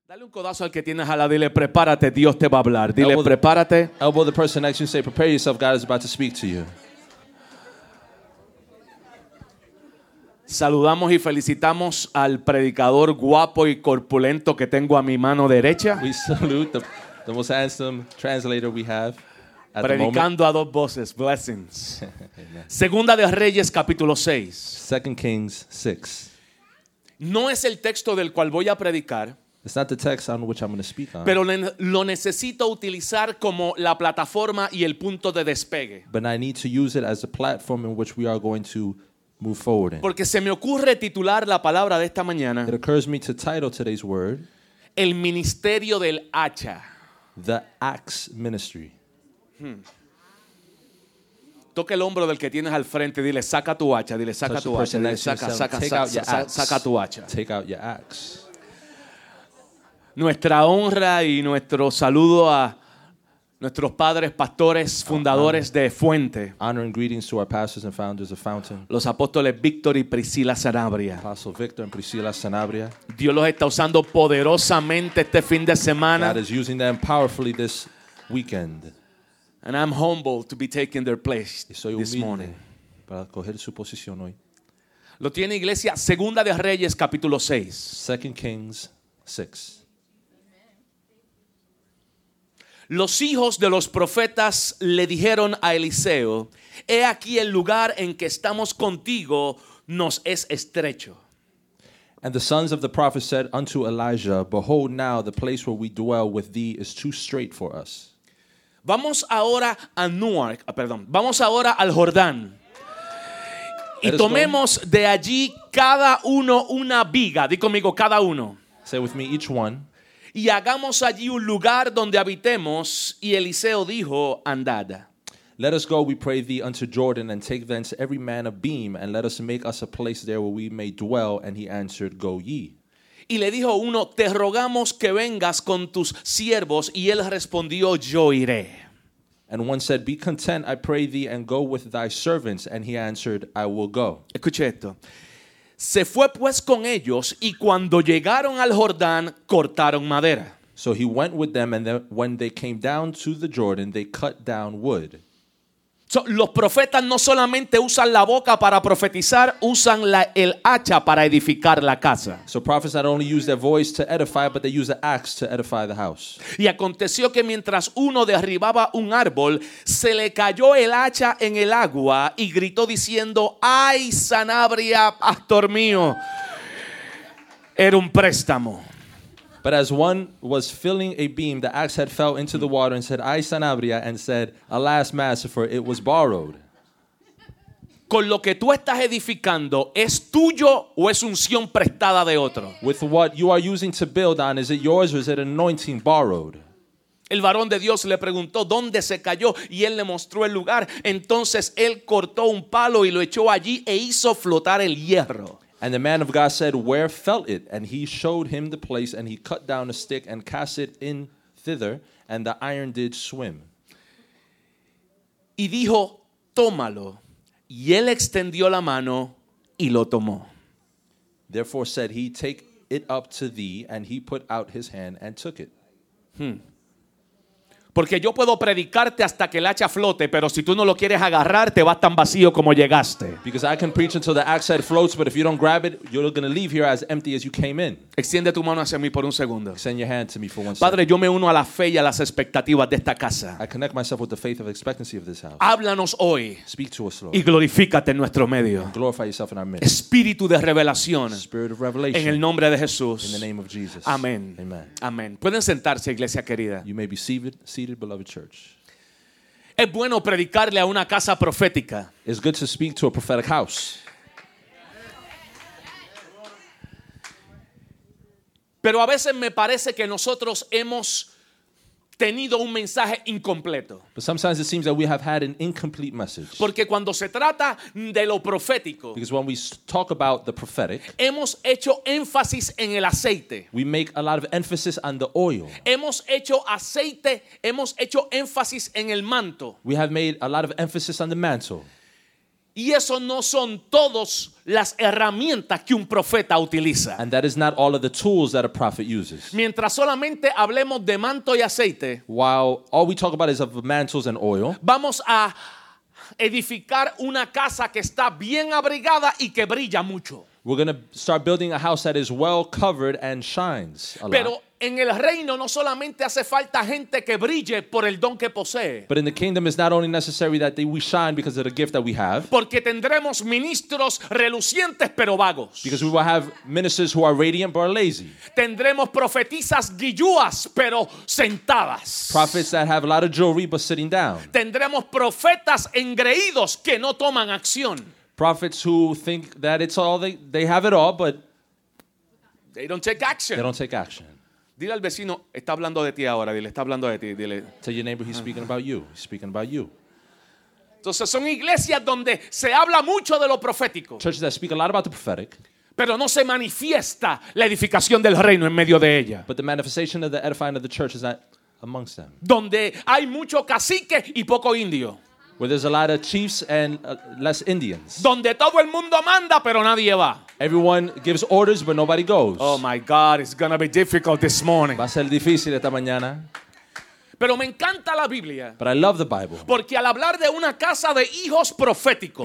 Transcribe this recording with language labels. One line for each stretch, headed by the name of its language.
Spanish: Dale un codazo al que tienes a la, dile, prepárate, Dios te va a hablar. Dile, prepárate.
English: Elbow the person next to you and say, prepare yourself, God is about to speak to you.
Spanish: Saludamos y felicitamos al predicador guapo y corpulento que tengo a mi mano derecha.
English: We salute the most handsome translator we have.
Spanish: Predicando a dos voces,
English: blessings.
Spanish: Segunda de Reyes, capítulo 6.
English: Second Kings 6.
Spanish: No es el texto del cual voy a predicar.
English: It's not the text on which I'm going to speak on.
Spanish: Pero lo necesito utilizar como la plataforma y el punto de despegue.
English: But I need to use it as a platform in which we are going to move forward in.
Spanish: Porque se me ocurre titular la palabra de esta mañana.
English: It occurs me to title today's word.
Spanish: El ministerio del hacha.
English: The axe ministry.
Spanish: Toca el hombro del que tienes al frente, dile, saca tu hacha, dile, saca tu hacha, dile, saca tu hacha.
English: Take out your axe.
Spanish: Nuestra honra y nuestro saludo a nuestros padres, pastores, fundadores de Fuente.
English: Honor and greetings to our pastors and founders of Fountain.
Spanish: Los apóstoles Víctor y Priscila Sanabria.
English: Apostle Victor and Priscila Sanabria.
Spanish: Dios los está usando poderosamente este fin de semana.
English: God is using them powerfully this weekend. And I'm humbled to be taking their place this morning.
Spanish: Para coger su posición hoy. Lo tiene iglesia, Segunda de Reyes, capítulo 6.
English: Second Kings 6.
Spanish: Los hijos de los profetas le dijeron a Eliseo, he aquí el lugar en que estamos contigo nos es estrecho.
English: And the sons of the prophet said unto Elijah, behold now the place where we dwell with thee is too straight for us.
Spanish: Vamos ahora a Newark, perdón, vamos ahora al Jordán. Y tomemos de allí cada uno una viga, di conmigo cada uno.
English: Say with me each one.
Spanish: Y hagamos allí un lugar donde habitemos. Y Eliseo dijo, andad.
English: Let us go, we pray thee, unto Jordan, and take thence every man a beam, and let us make us a place there where we may dwell. And he answered, go ye.
Spanish: Y le dijo uno, te rogamos que vengas con tus siervos. Y él respondió, yo iré.
English: And one said, be content, I pray thee, and go with thy servants. And he answered, I will go.
Spanish: Escuche esto. Se fue pues con ellos, y cuando llegaron al Jordán, cortaron madera.
English: So he went with them, and then when they came down to the Jordan, they cut down wood.
Spanish: So, los profetas no solamente usan la boca para profetizar, usan el hacha para edificar la casa.
English: So prophets not only use their voice to edify, but they use the axe to edify the house.
Spanish: Y aconteció que mientras uno derribaba un árbol, se le cayó el hacha en el agua y gritó diciendo, ¡ay, Sanabria, pastor mío! Era un préstamo.
English: But as one was filling a beam, the axe had fell into the water and said, I, Sanabria, and said, alas, master, for it was borrowed.
Spanish: Con lo que tú estás edificando, ¿es tuyo o es unción prestada de otro?
English: With what you are using to build on, is it yours or is it anointing borrowed?
Spanish: El varón de Dios le preguntó, ¿dónde se cayó? Y él le mostró el lugar. Entonces él cortó un palo y lo echó allí e hizo flotar el hierro.
English: And the man of God said, where fell it? And he showed him the place, and he cut down a stick and cast it in thither, and the iron did swim.
Spanish: Y dijo, tómalo. Y él extendió la mano y lo tomó.
English: Therefore said he, take it up to thee, and he put out his hand and took it.
Spanish: Porque yo puedo predicarte hasta que el hacha flote, pero si tú no lo quieres agarrar, te vas tan vacío como llegaste.
English: Because I can preach until the axe head floats, but if you don't grab it, you're going to leave here as empty as you came in.
Spanish: Extiende tu mano hacia mí por un segundo.
English: Extend your hand to me for one second.
Spanish: Padre, yo me uno a la fe y a las expectativas de esta casa.
English: I connect myself with the faith of expectancy of this house.
Spanish: Háblanos hoy.
English: Speak to us, Lord.
Spanish: Y glorifícate en nuestro medio.
English: And glorify yourself in our midst.
Spanish: Espíritu de revelación.
English: Spirit of revelation.
Spanish: En el nombre de Jesús.
English: In the name of Jesus.
Spanish: Amén.
English: Amen.
Spanish: Amén. Pueden sentarse, iglesia querida.
English: You may be seated. Beloved church.
Spanish: Es bueno predicarle a una casa profética.
English: It's good to speak to a prophetic house.
Spanish: Pero a veces me parece que nosotros hemos tenido un mensaje incompleto.
English: But sometimes it seems that we have had an incomplete message.
Spanish: Porque cuando se trata de lo profético,
English: because when we talk about the prophetic,
Spanish: hemos hecho énfasis en el aceite.
English: We make a lot of emphasis on the oil.
Spanish: Hemos hecho aceite, hemos hecho énfasis en el manto.
English: We have made a lot of emphasis on the mantle.
Spanish: Y eso no son todos las herramientas que un profeta utiliza.
English: And that is not all of the tools that a prophet uses.
Spanish: Mientras solamente hablemos de manto y aceite,
English: while all we talk about is of mantles and oil,
Spanish: vamos a edificar una casa que está bien abrigada y que brilla mucho.
English: We're going to start building a house that is well covered and shines a
Spanish: Pero
English: lot.
Spanish: En el reino no solamente hace falta gente que brille por el don que posee.
English: But in the kingdom it's not only necessary that we shine because of the gift that we have.
Spanish: Porque tendremos ministros relucientes pero vagos.
English: Because we will have ministers who are radiant but are lazy.
Spanish: Tendremos profetisas guilluas pero sentadas.
English: Prophets that have a lot of jewelry but sitting down.
Spanish: Tendremos profetas engreídos que no toman acción.
English: Prophets who think that it's all they have it all but they don't take action. They don't take action.
Spanish: Dile al vecino, está hablando de ti ahora. Dile, está hablando de ti. Dile.
English: Tell your neighbor he's speaking about you. He's speaking about you.
Spanish: Entonces son iglesias donde se habla mucho de lo profético.
English: Churches that speak a lot about the prophetic.
Spanish: Pero no se manifiesta la edificación del reino en medio de ella.
English: But the manifestation of the edifying of the church is not amongst them.
Spanish: Donde hay mucho cacique y poco indio.
English: Where there's a lot of chiefs and less Indians.
Spanish: Donde todo el mundo manda, pero nadie va.
English: Everyone gives orders, but nobody goes. Oh my God, it's going to be difficult this morning.
Spanish: Va a ser difícil esta mañana. Pero me encanta la Biblia.
English: But I love the Bible.
Spanish: Porque al hablar de una casa de hijos proféticos.